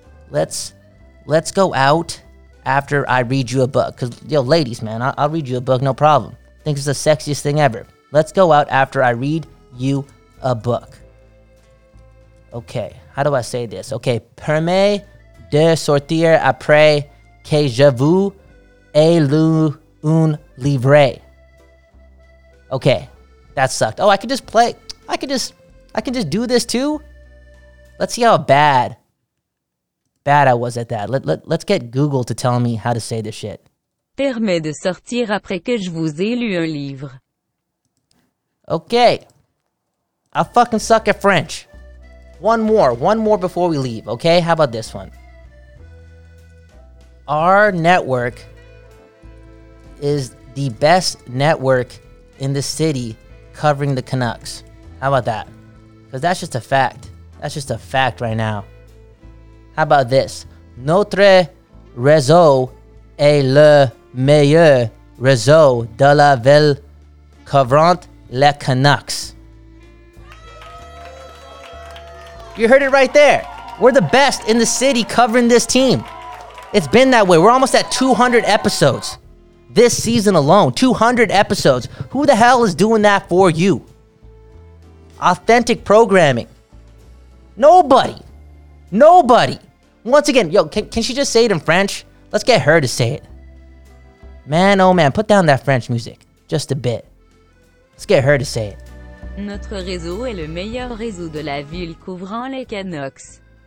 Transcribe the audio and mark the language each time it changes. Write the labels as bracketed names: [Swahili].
[English] Let's go out after I read you a book. Because, yo, ladies, man, I'll read you a book, no problem. Think it's the sexiest thing ever. Let's go out after I read you a book. Okay, how do I say this? [French] Okay, permet de sortir après que je vous ai lu un livre. [English] Okay, that sucked. Oh, I could just do this too? Let's see how bad I was at that. Let's get Google to tell me how to say this shit. [French] Permet de sortir après que je vous ai lu un livre. [English] Okay. I fucking suck at French. One more before we leave, okay? How about this one? Our network is the best network in the city covering the Canucks. How about that? Because that's just a fact. That's just a fact right now. How about this? [French] Notre réseau est le meilleur réseau de la ville couvrant les Canucks. [English] You heard it right there. We're the best in the city covering this team. It's been that way. We're almost at 200 episodes. This season alone, 200 episodes. Who the hell is doing that for you? Authentic programming. Nobody. Nobody. Once again, yo, can she just say it in French? Let's get her to say it. Man, oh man, put down that French music. Just a bit. Let's get her to say it. [French] Notre réseau est le meilleur réseau de la ville couvrant les Canucks.